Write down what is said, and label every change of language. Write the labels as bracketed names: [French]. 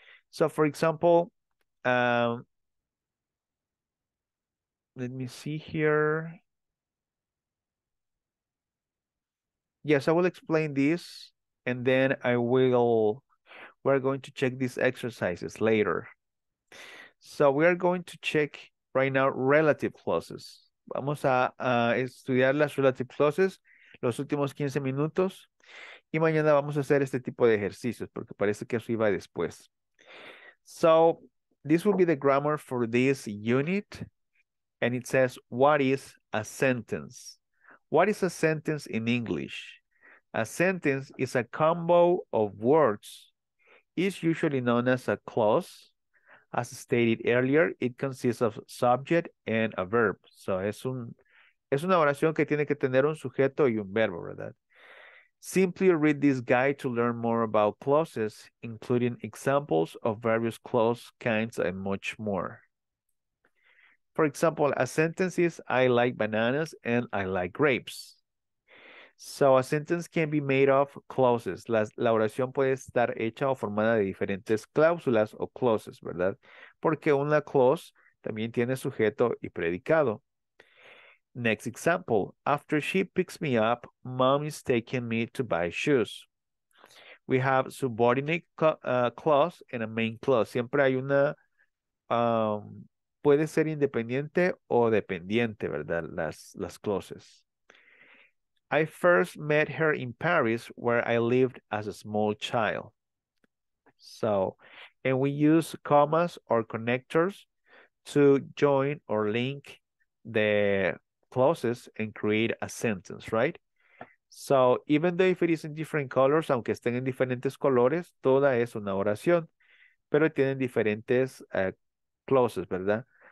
[English] So, for example, let me see here. Yes, I will explain this, and then I will, we're going to check these exercises later. So, we are going to check right now relative clauses. [Spanish] Vamos a estudiar las relative clauses los últimos 15 minutos y mañana vamos a hacer este tipo de ejercicios porque parece que eso iba después. [English] So, this will be the grammar for this unit and it says, what is a sentence? What is a sentence in English? A sentence is a combo of words. It's usually known as a clause. As stated earlier, it consists of subject and a verb. [Spanish] So es una oración que tiene que tener un sujeto y un verbo, ¿verdad? [English] Simply read this guide to learn more about clauses, including examples of various clause kinds and much more. For example, a sentence is, I like bananas and I like grapes. So a sentence can be made of clauses. [Spanish] La oración puede estar hecha o formada de diferentes cláusulas o clauses, ¿verdad? Porque una clause también tiene sujeto y predicado. [English] Next example. After she picks me up, mom is taking me to buy shoes. We have subordinate clause and a main clause. [Spanish] Siempre hay una... puede ser independiente o dependiente, ¿verdad? [English] Las clauses. I first met her in Paris, where I lived as a small child. So, and we use commas or connectors to join or link the clauses and create a sentence, right? So, even though if it is in different colors, [Spanish] aunque estén en diferentes colores, toda es una oración, pero tienen diferentes clauses, ¿verdad?